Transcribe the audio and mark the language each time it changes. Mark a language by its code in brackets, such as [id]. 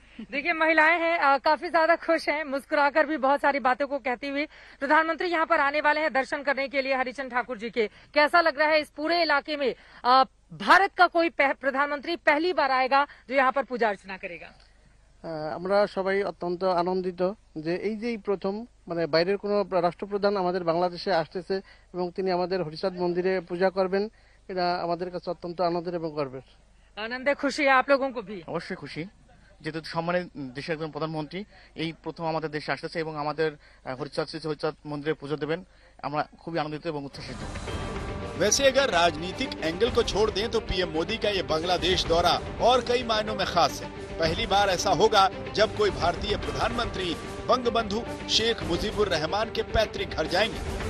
[hi] देखिए महिलाएं हैं, काफी ज्यादा खुश हैं, मुस्कुराकर भी बहुत सारी बातों को कहती हुई। प्रधानमंत्री यहां पर आने वाले हैं दर्शन करने के लिए हरिचंद ठाकुर जी के। कैसा लग रहा है, इस पूरे इलाके में भारत का कोई प्रधानमंत्री पहली बार आएगा जो यहां पर पूजा अर्चना करेगा? [bn] আমরা সবাই অত্যন্ত আনন্দিত যে এই যে প্রথম মানে বাইরের কোন রাষ্ট্রপ্রধান আমাদের বাংলাদেশে আসতেছে এবং তিনি আমাদের হরিষাদ মন্দিরে পূজা করবেন, এটা আমাদের কাছে অত্যন্ত আনন্দের এবং গর্বের। [hi] আনন্দে খুশি আপ লোগোঁ কো ভি? [bn] অবশ্যই খুশি, যেহেতু সম্মানে দেশের একজন প্রধানমন্ত্রী এই প্রথম আমাদের দেশে আসতেছে এবং আমাদের হরিষাদ মন্দিরে পূজা দেবেন, আমরা খুবই আনন্দিত এবং উচ্ছ্বসিত। [hi] वैसे अगर राजनीतिक एंगल को छोड़ दें तो पीएम मोदी का ये बांग्लादेश दौरा और कई मायनों में खास है। पहली बार ऐसा होगा जब कोई भारतीय प्रधानमंत्री बंगबंधु शेख मुजीबुर रहमान के पैतृक घर जाएंगे।